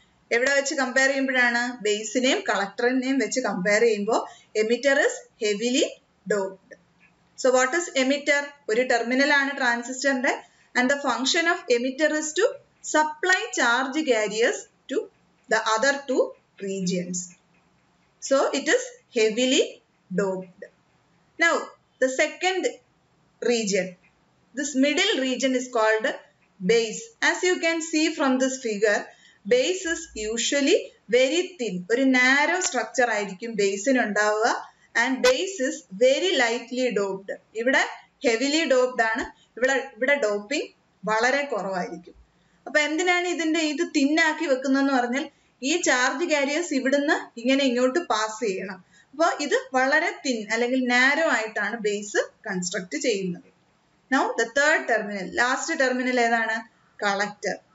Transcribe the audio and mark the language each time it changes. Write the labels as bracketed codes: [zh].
[ml] എവിടെ വെച്ച് കമ്പയർ ചെയ്യുമ്പോഴാണ്? ബേസിനെയും കളക്ടറിനെയും വെച്ച് കമ്പയർ ചെയ്യുമ്പോൾ [en] Emitter is heavily doped. So what is emitter? [ml] ഒരു ടെർമിനലാണ് ട്രാൻസിസ്റ്ററിന്റെ, [en] And the function of emitter is to supply charge carriers to the other two regions. So it is heavily doped. Now the second region, this middle region, is called base. As you can see from this figure, base is usually very thin. Oru narrow structure [ml] aayirikkum base in undavva, [en] and base is very lightly doped. [ml] Ivide heavily doped aanu, ivide doping valare koravaayirikkum. അപ്പൊ എന്തിനാണ് ഇതിന്റെ ഇത് തിന്നാക്കി വെക്കുന്നതെന്ന് പറഞ്ഞാൽ, ഈ charge careers ഇവിടുന്ന് ഇങ്ങനെ ഇങ്ങോട്ട് pass ചെയ്യണം. അപ്പോൾ ഇത് വളരെ തിൻ അല്ലെങ്കിൽ നാരോ ആയിട്ടാണ് ബേസ് കൺസ്ട്രക്ട് ചെയ്യുന്നത്. [en] now the third terminal, last terminal [ml] ഏതാണ്? [en] Collector.